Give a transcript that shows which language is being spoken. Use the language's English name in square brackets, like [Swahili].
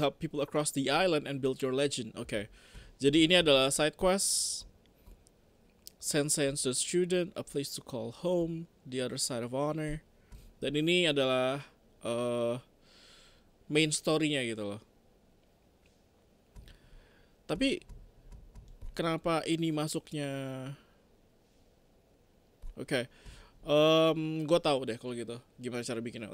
[English] Help people across the island and build your legend. Okay. [Indonesian] Jadi ini adalah side quest. [English] Sensei and student, a place to call home, the other side of honor. [Indonesian] Dan ini adalah main story-nya gitu loh. Tapi kenapa ini masuknya? Gua tahu deh kalau gitu gimana cara bikinnya.